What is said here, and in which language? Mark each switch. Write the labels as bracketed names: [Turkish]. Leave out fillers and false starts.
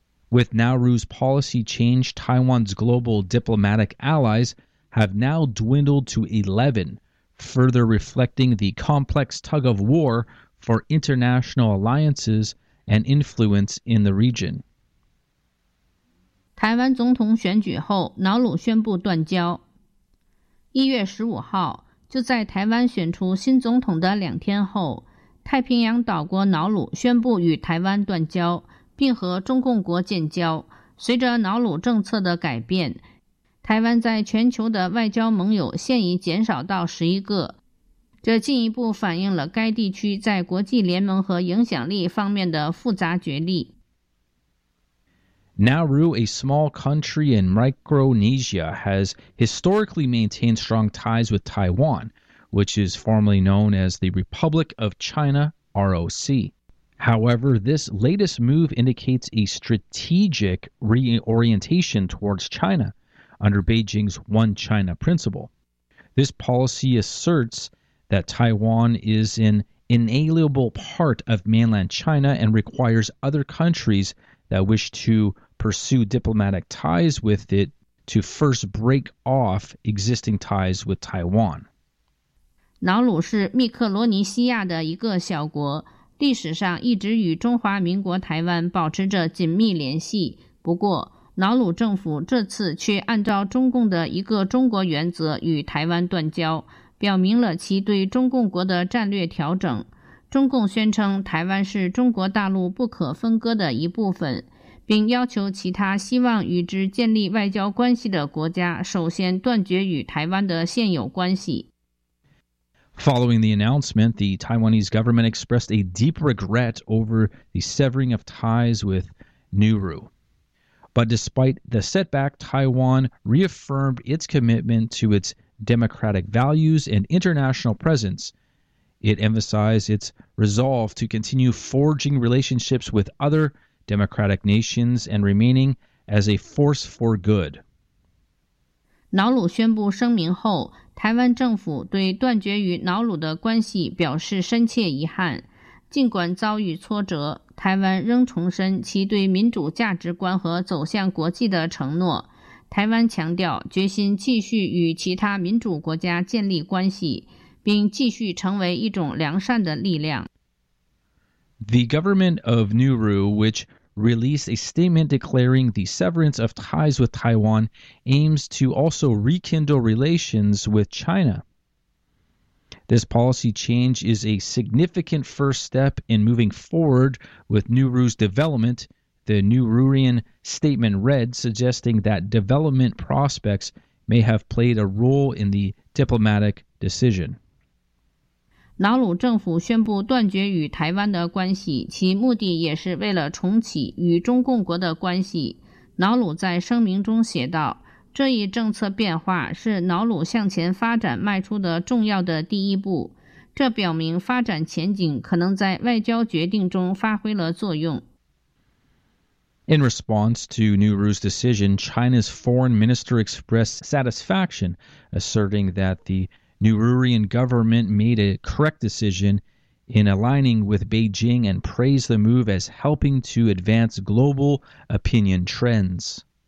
[English] With Nauru's policy change, Taiwan's global diplomatic allies have now dwindled to 11, further reflecting the complex tug of war for international alliances and influence in the region. [Chinese] 台湾总统选举后，瑙鲁宣布断交。 1月15号，就在台湾选出新总统的两天后，太平洋岛国瑙鲁宣布与台湾断交，并和中共国建交。随着瑙鲁政策的改变，台湾在全球的外交盟友现已减少到11个。这进一步反映了该地区在国际联盟和影响力方面的复杂角力。 [English] Nauru, a small country in Micronesia, has historically maintained strong ties with Taiwan, which is formerly known as the Republic of China, ROC. However, this latest move indicates a strategic reorientation towards China under Beijing's One China principle. This policy asserts that Taiwan is an inalienable part of mainland China and requires other countries that wish to pursue diplomatic ties with it to first break off existing ties with Taiwan. [Chinese] 瑙鲁是密克罗尼西亚的一个小国，历史上一直与中华民国台湾保持着紧密联系。不过，瑙鲁政府这次却按照中共的一个中国原则与台湾断交，表明了其对中共国的战略调整。中共宣称台湾是中国大陆不可分割的一部分，并要求其他希望与之建立外交关系的国家首先断绝与台湾的现有关系。 [English] Following the announcement, the Taiwanese government expressed a deep regret over the severing of ties with Nauru. But despite the setback, Taiwan reaffirmed its commitment to itsdemocratic values and international presence. It emphasized its resolve to continue forging relationships with other democratic nations and remaining as a force for good. [Chinese] 瑙鲁宣布声明后，台湾政府对断绝与瑙鲁的关系表示深切遗憾。尽管遭遇挫折，台湾仍重申其对民主价值观和走向国际的承诺。台湾强调决心继续与其他民主国家建立关系，并继续成为一种良善的力量。 [English] The government of Nauru, which released a statement declaring the severance of ties with Taiwan, aims to also rekindle relations with China. This policy change is a significant first step in moving forward with Nauru's development. The Naurian statement read, suggesting that development prospects may have played a role in the diplomatic decision. [Chinese] 瑙鲁政府宣布断绝与台湾的关系，其目的也是为了重启与中共国的关系。瑙鲁在声明中写道，这一政策变化是瑙鲁向前发展迈出的重要的第一步，这表明发展前景可能在外交决定中发挥了作用。 [English] In response to Nauru's decision, China's foreign minister expressed satisfaction, asserting that the Naurian government made a correct decision in aligning with Beijing and praised the move as helping to advance global opinion trends.